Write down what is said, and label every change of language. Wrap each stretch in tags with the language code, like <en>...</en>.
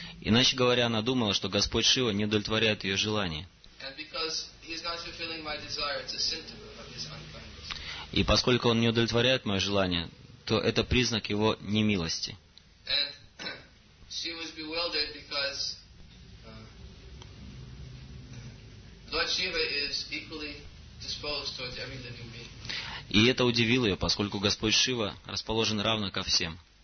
<ru>Иначе говоря, она думала, что Господь Шива не удовлетворяет ее желание.</ru> <en>And because he's not fulfilling my desire, it's a symptom of his unkindness.</en> <ru>И поскольку он не удовлетворяет мое желание, то это признак его немилости.</ru> <en>And she was bewildered because Lord Shiva is equally disposed towards every living being.</en> <ru>И это удивило ее, поскольку Господь Шива расположен равно ко всем.</ru>